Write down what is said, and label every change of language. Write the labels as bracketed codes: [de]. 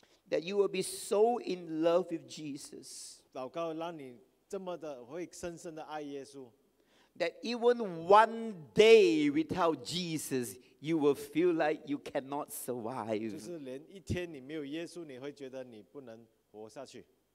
[en] That you will be so in love with Jesus. [zh] 祷告让你这么的会深深的爱耶稣。 [en] That even one day without Jesus, you will feel like you cannot survive. [zh] 就是连一天你没有耶稣，你会觉得你不能活下去。